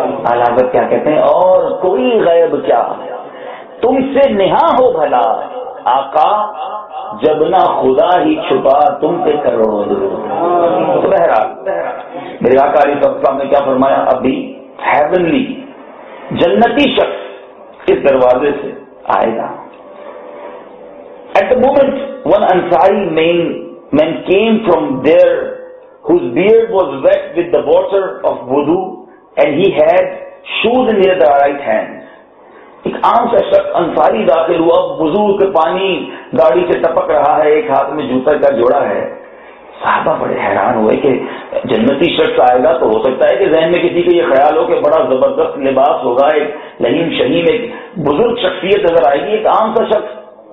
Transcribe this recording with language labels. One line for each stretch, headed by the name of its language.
Urdu: اعلیٰ حضرت کیا کہتے ہیں, اور کوئی غیب کیا تم سے نہاں ہو بھلا, آقا جب نہ خدا ہی چھپا تم پہ کروڑوں درود. بہرحال میرے آقا علیہ السلام نے کیا فرمایا, ابھی ہیونلی جنتی شخص اس دروازے سے آئے گا.
English: At the moment, one Ansari man came from there, whose beard was wet with the water of wudu, and he had shoes in his right hand.
Urdu: ایک عام سا شخص انصاری داخل ہوا, وضو کے پانی داڑھی سے ٹپک رہا ہے, ایک ہاتھ میں جوتا کا جوڑا ہے. صحابہ بڑے حیران ہوئے کہ جنتی شخص آئے گا تو ہو سکتا ہے کہ ذہن میں کسی کو یہ خیال ہو کہ بڑا زبردست لباس ہوگا, ایک لہیم شہیم ایک بزرگ شخصیت نظر آئے گی, ایک عام سا شخص.